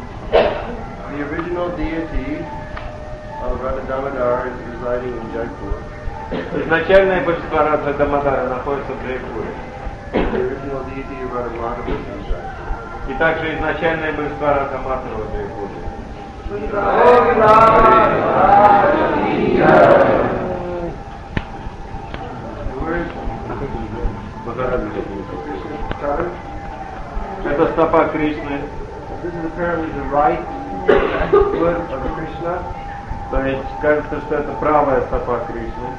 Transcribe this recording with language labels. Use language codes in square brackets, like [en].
[en] The original deity of Radha Damodar is residing in Jaipur. [ru] Изначальное божество Радха Дамодара находится в Джайпуре. [en] The original deity of Radha Madhava is in Jaipur. [ru] И также изначальное божество Радха Мадхава в Джайпуре. Это стопа Кришны. [en] This is apparently the right foot of Krishna. [ru] То есть кажется, что это правая стопа Кришны.